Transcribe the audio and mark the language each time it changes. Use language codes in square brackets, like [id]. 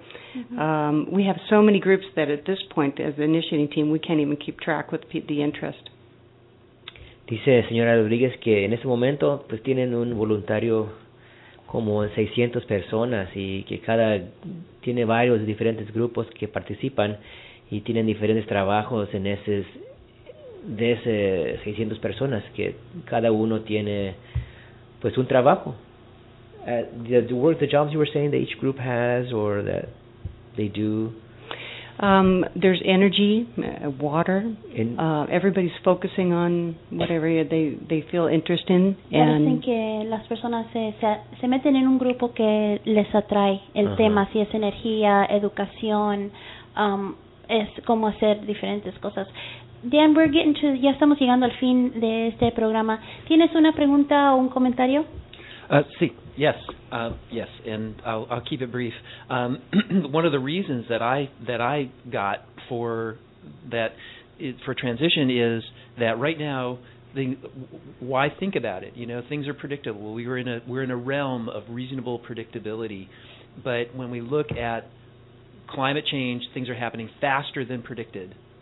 [en] Mm-hmm. We have so many groups that at this point, as the initiating team, we can't even keep track with the interest. [es] Dice señora Rodriguez que en ese momento pues tienen un voluntario como 600 personas, y que cada tiene varios diferentes grupos que participan y tienen diferentes trabajos en esos de esas 600 personas, que cada uno tiene pues un trabajo. [en] The jobs you were saying that each group has or that they do? There's energy, water. Everybody's focusing on whatever they feel interest in. [es] Dicen que las personas se meten en un grupo que les atrae el tema, si es energía, educación, es como hacer diferentes cosas. Dan, ya estamos llegando al fin de este programa. ¿Tienes una pregunta o un comentario? [en] Sí. Yes, and I'll keep it brief. one of the reasons that I got for transition is that right now, why think about it? You know, things are predictable. We're in a realm of reasonable predictability, but when we look at climate change, things are happening faster than predicted.